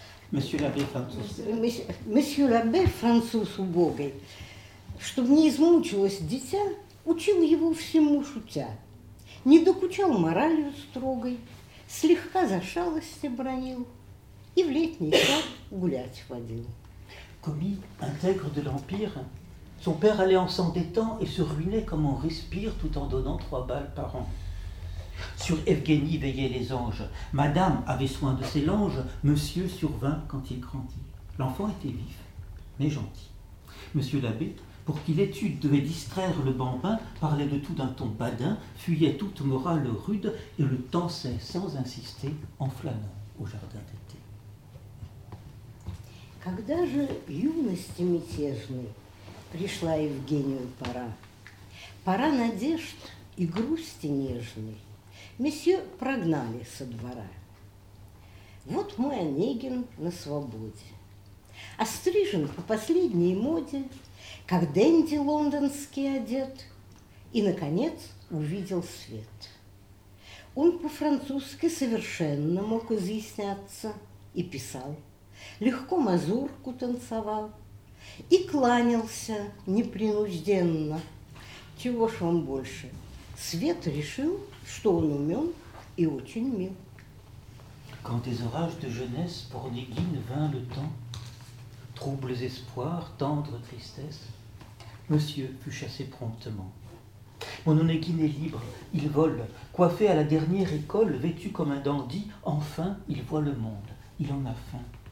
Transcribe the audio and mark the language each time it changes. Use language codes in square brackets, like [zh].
[ru] Месье Лабе француз убогой, чтоб не измучилось дитя, учил его всему шутя, не докучал моралью строгой, слегка за шалости бронил и в летний сад гулять водил. [fr] Commis, intègre de l'Empire, son père allait en s'endettant et se ruinait comme on respire tout en donnant 3 balles par an. Sur Evgeny veillaient les anges. Madame avait soin de ses langes, monsieur survint quand il grandit. L'enfant était vif, mais gentil. Monsieur l'abbé, pour qui l'étude devait distraire le bambin, parlait de tout d'un ton badin, fuyait toute morale rude et le tançait sans insister en flânant au jardin d'été. [ru] Когда же юности мятежной пришла Евгению пора, пора надежд и грусти нежной, месье прогнали со двора. Вот мой Онегин на свободе, острижен по последней моде, как денди лондонский одет, и, наконец, увидел свет. Он по-французски совершенно мог изъясняться и писал, легко мазурку танцевал и кланялся непринужденно. Чего ж вам больше? Свет решил, что он умен и очень мил. [fr] Quand des orages de jeunesse pour Onegin vint le temps, troubles espoirs, tendre tristesse, monsieur fut chassé promptement. Mon Onegin est libre, il vole, coiffé à la dernière école, vêtu comme un dandy, enfin il voit le monde, il en a faim.